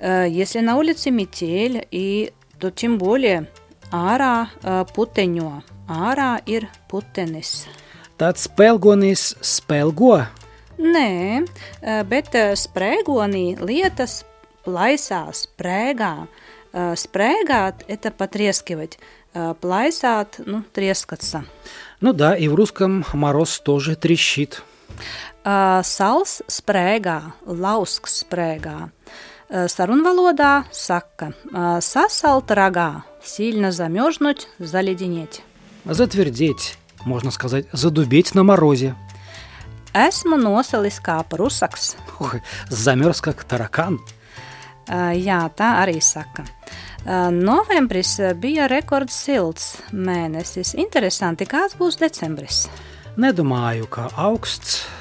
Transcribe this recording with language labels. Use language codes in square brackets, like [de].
[ru] Если на улице метель, и то тем более [lv] ārā puteņo. Ārā ir putenis. Tad spelgonis spelgo? Nē, bet sprēgonī lietas plaisā, sprēgā. [ru] Sprēgāt – это потрескивать. Плайсāt – ну, трескаться. Ну да, и в русском мороз тоже трещит. [lv] Sals sprēgā, lausks sprēgā. Sarunvalodā saka – sasalt ragā, [ru] сильно замёрзнуть, заледенеть. Затвердеть, можно сказать, задубеть на морозе. [lv] Esmu nosalis kā prusaks. [ru] Ой, замёрз как таракан. [lv] Jā, tā arī saka. Novembris bija rekords silts mēnesis. Interesanti, kāds būs decembris? Nedomāju, ka augsts.